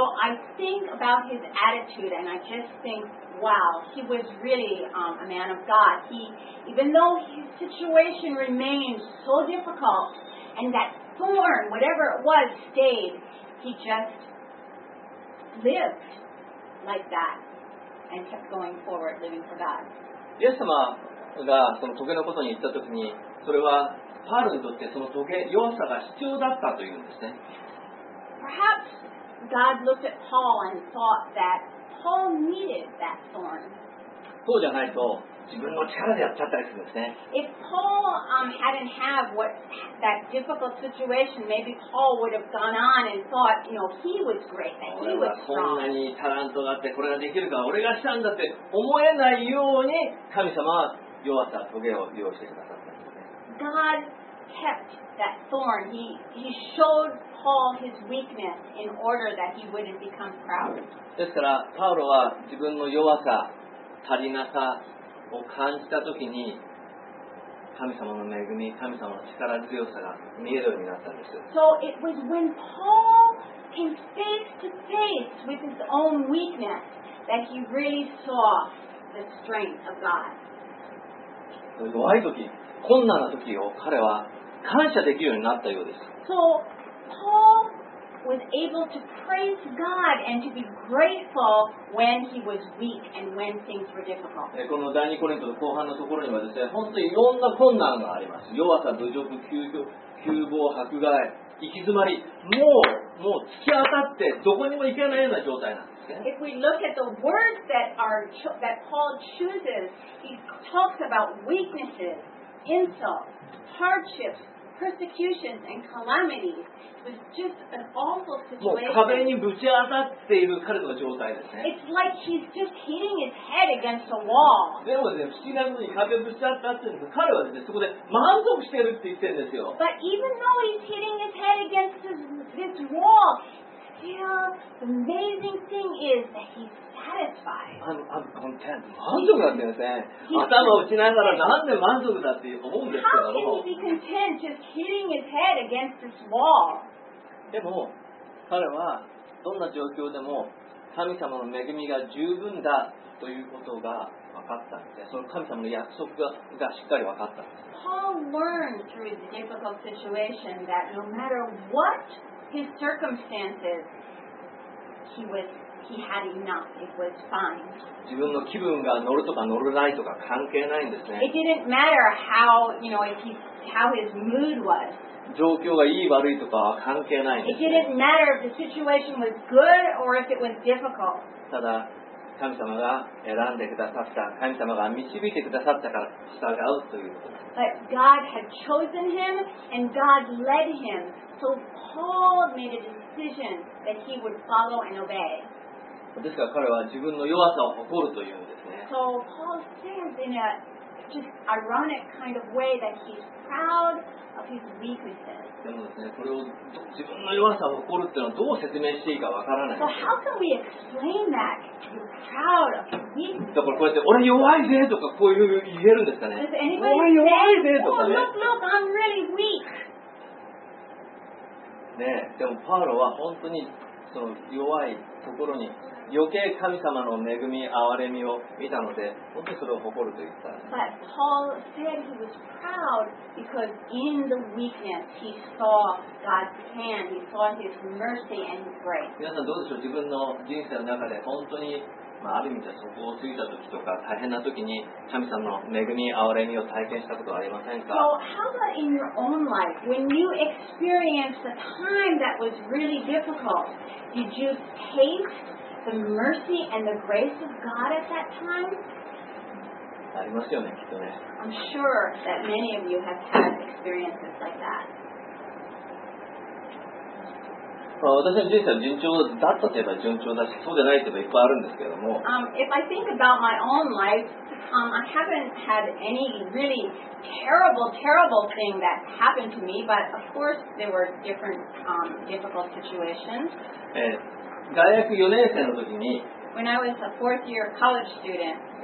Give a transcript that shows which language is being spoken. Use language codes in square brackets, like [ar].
[en] So I think about his attitude and I just think,Wow, he was really a man of God. He, even though his situation remained so difficult, and that thorn, whatever it was, stayed, he just lived like that and kept going forward, living for God. [ja] イエス様がその棘のことに言ったときに、それはパウロにとってその棘、弱さが必要だったというんですね。 [en] Perhaps God looked at Paul and thought that. Paul needed that thorn. [ja] そうじゃないと自分の力でやっちゃったりするんですね。 [en] If Paul hadn't had that difficult situation, maybe Paul would have gone on and thought, you know, he was great, that he was strong. [ja] こんなにタラントがあってこれができるから俺がしたんだって思えないように神様は弱さ、トゲを利用してくださったんですね。 [en] God kept that thorn. He showed Paul his weakness in order that he wouldn't become proud. [ja] ですから、パウロは自分の弱さ、足りなさを感じたときに、神様の恵み、神様の力強さが見えるようになったんです。 [en] So it was when Paul came face to face with his own weakness that he really saw the strength of God. [ja] 弱いとき、困難なときを彼は感謝できるようになったようです。 [en] So Paulwas able to praise God and to be grateful when he was weak and when things were difficult. [ja] この第二コリントの後半のところにはですね、本当にいろんな困難があります。弱さ、侮辱、窮乏、迫害、行き詰まり、もう突き当たってどこにも行けないような状態なんですね。 [en] If we look at the words that our that Paul chooses, he talks about weaknesses, insults, hardships, persecutions, and calamities. It was just an awful situation. [ja] もう壁にぶち当たっている彼の状態ですね。 [en] It's like he's just hitting his head against a wall. [ja] でもね、不思議なことに壁をぶち当たっているんですが、彼はですね、そこで満足してるって言ってるんですよ。 [en] But even though he's hitting his head against this wall, still the amazing thing is that he's satisfied. I'm content. [ja] 満足なんですね。頭打ちながらなんで満足だって思うんですけども。 [en] How can he be content just hitting his head against this wall? [ja] でも彼はどんな状況でも神様の恵みが十分だということが分かったんで、その神様の約束がしっかり分かった。 [en] Paul learned through his difficult situation that no matter what his circumstances, he had enough. It was fine. [ja] 自分の気分が乗るとか乗らないとか関係ないんですね。 [en] It didn't matter how, you know, how his mood was. [ja] 状況がいい悪いとかは関係ないんです。 [en] It didn't matter if the situation was good or if it was difficult. [ja] ただ神様が選んでくださった、神様が導いてくださったから従うという。 [en] But God had chosen him and God led him. So Paul made a decision that he would follow and obey. [ja] ですから彼は自分の弱さを誇るというんですね。 [en] So Paul stands in a just ironic kind of way that he's proud of his weaknesses. [ja] でもですね、これを自分の弱さを誇るっていうのはどう説明していいかわからない。 [en] So how can we explain that? You're proud of your weaknesses. [ja] だからこうやって、俺弱いぜとかこういう言えるんですかね。俺弱いぜとかね。 [en] Oh, look, I'm really weak. [ja] ね、でもパウロは本当にその弱いところに余計神様の恵み憐れみを見たので本当にそれを誇ると言った。 [en] But Paul said he was proud because in the weakness he saw God's hand, he saw His mercy and grace. [ja] 皆さんどうでしょう、自分の人生の中で本当に、まあ、ある意味で底をついた時とか大変な時に神様の恵み憐れみを体験したことはありませんか？ [en] So how about in your own life, when you experienced a time that was really difficult, did you taste the mercy and the grace of God at that time? [ja] ありますよね、きっとね。 [en] I'm sure that many of you have had experiences like that. [ja] 私の人生は順調だったといえば順調だし、そうじゃないといえばいっぱいあるんですけども。 [en] If I think about my own life, I haven't had any really terrible, terrible thing that happened to me, but of course there were different, difficult situations. [ja] 大学4年生の時に、 [en] When I was a fourth year college student,